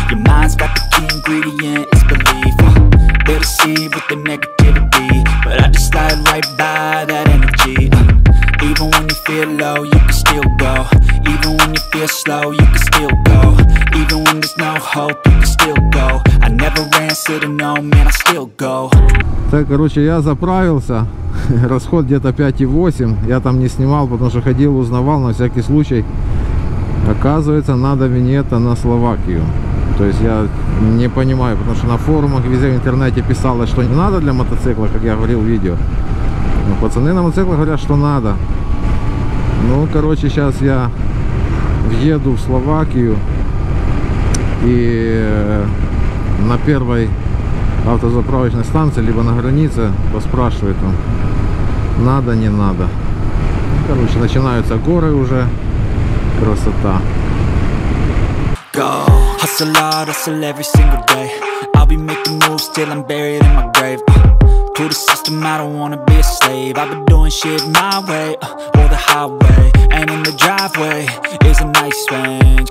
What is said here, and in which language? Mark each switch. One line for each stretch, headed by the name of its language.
English: Your mind's got the key ingredient, it's belief. They deceive with the negativity, but I just slide right by that energy. Even when you feel low, you can still go. Even when you feel slow, you can still go. Even when there's no hope, you can still go. I never answer to no, man, I still go.
Russian: Так, короче, я заправился. Расход где-то 5,8. Я там не снимал, потому что ходил, узнавал на всякий случай. Оказывается, надо винета на Словакию. То есть я не понимаю, потому что на форумах везде в интернете писалось, что не надо для мотоцикла, как я говорил в видео. Но пацаны на мотоциклах говорят, что надо. Ну, короче, сейчас я въеду в Словакию. И на первой автозаправочной станции, либо на границе, поспрашивают он, надо, не надо. Короче, начинаются горы уже. Красота.
English: Hustle hard, hustle every single day. I'll be making moves till I'm buried in my grave. To the system, I don't wanna be a slave. I've been doing shit my way, or the highway. And in the driveway is a nice range.